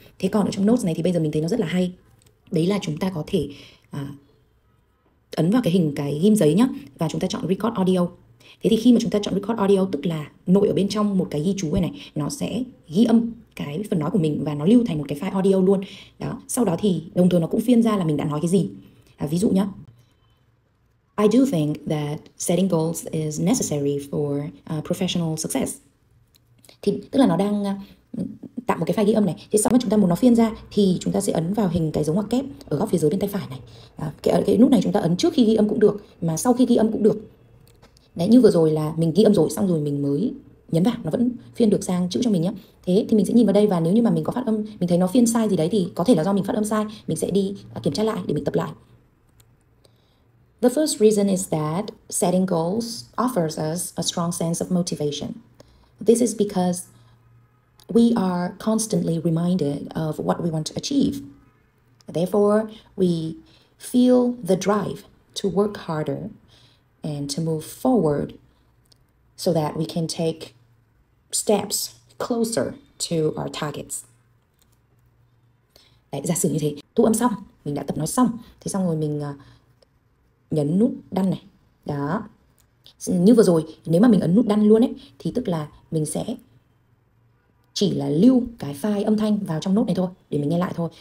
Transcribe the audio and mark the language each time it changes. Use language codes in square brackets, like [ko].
[vi] Thế còn ở trong Notes này thì bây giờ mình thấy nó rất là hay. Đấy là chúng ta có thể ấn vào cái hình cái ghim giấy nhá và chúng ta chọn record audio. Thế thì khi mà chúng ta chọn record audio tức là nội ở bên trong một cái ghi chú này, nó sẽ ghi âm cái phần nói của mình và nó lưu thành một cái file audio luôn. Đó, sau đó thì đồng thời nó cũng phiên ra là mình đã nói cái gì. Ví dụ nhé, [en] I do think that setting goals is necessary for professional success. [vi] Thì tức là nó đang tạo một cái file ghi âm này. Thì sau đó chúng ta muốn nó phiên ra thì chúng ta sẽ ấn vào hình cái dấu ngoặc kép ở góc phía dưới bên tay phải này. Cái nút này chúng ta ấn trước khi ghi âm cũng được, mà sau khi ghi âm cũng được. Đấy, như vừa rồi là mình ghi âm rồi, xong rồi mình mới nhấn vào, nó vẫn phiên được sang chữ cho mình nhé. Thế thì mình sẽ nhìn vào đây và nếu như mà mình có phát âm, mình thấy nó phiên sai gì đấy thì có thể là do mình phát âm sai. Mình sẽ đi kiểm tra lại để mình tập lại. [en] The first reason is that setting goals offers us a strong sense of motivation. This is because we are constantly reminded of what we want to achieve. Therefore, we feel the drive to work harder and to move forward so that we can take steps closer to our targets. [vi] Đấy, giả sử như thế, thu âm xong, mình đã tập nói xong, thế xong rồi mình nhấn nút đăng này. Đó. Như vừa rồi, nếu mà mình ấn nút đăng luôn ấy thì tức là mình sẽ chỉ là lưu cái file âm thanh vào trong nốt này thôi để mình nghe lại thôi.